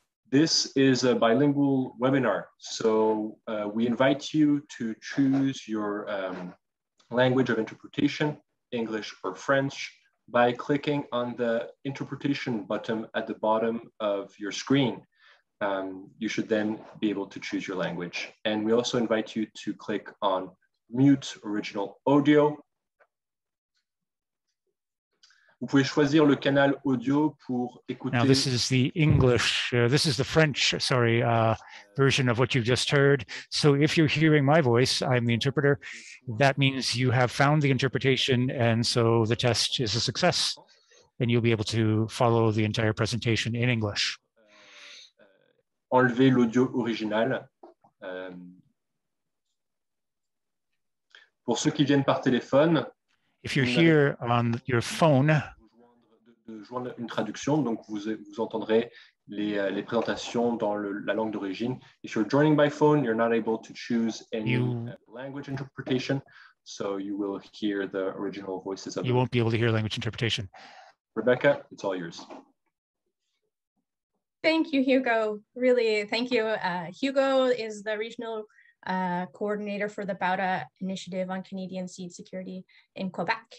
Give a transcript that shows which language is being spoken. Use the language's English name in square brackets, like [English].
[English] This is a bilingual webinar, so we invite you to choose your language of interpretation, English or French, by clicking on the interpretation button at the bottom of your screen. You should then be able to choose your language. And we also invite you to click on mute original audio. [French] Vous pouvez choisir le canal audio pour écouter. [English] Now this is the English, this is the French, sorry, version of what you've just heard. So if you're hearing my voice, I'm the interpreter, that means you have found the interpretation and so the test is a success and you'll be able to follow the entire presentation in English. [French] Enlever l'audio original. Pour ceux qui viennent par téléphone, [English] if you're here on your phone, [French] joindre une traduction, donc vous entendrez les présentations dans la langue d'origine. [English] If you're joining by phone, you're not able to choose any language interpretation, so you will hear the original voices of you won't be able to hear language interpretation. Rebecca, it's all yours. Thank you, Hugo. Really, thank you. Hugo is the regional coordinator for the Bauta Initiative on Canadian Seed Security in Quebec.